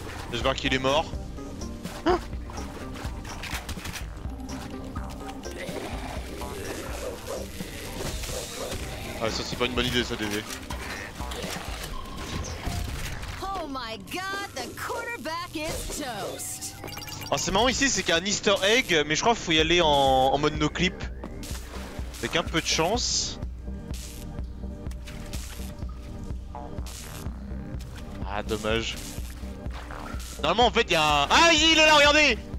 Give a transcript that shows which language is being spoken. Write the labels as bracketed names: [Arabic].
[French] J'espère qu'il est mort. Ah, ça c'est pas une bonne idée ça, DV. [English] Oh my god, the quarterback is toast. [French] Ah, c'est marrant ici, c'est qu'il y a un Easter egg, mais je crois qu'il faut y aller en mode no clip. Avec un peu de chance. Ah, dommage. Normalement en fait il y a un... Ah, il est là, regardez.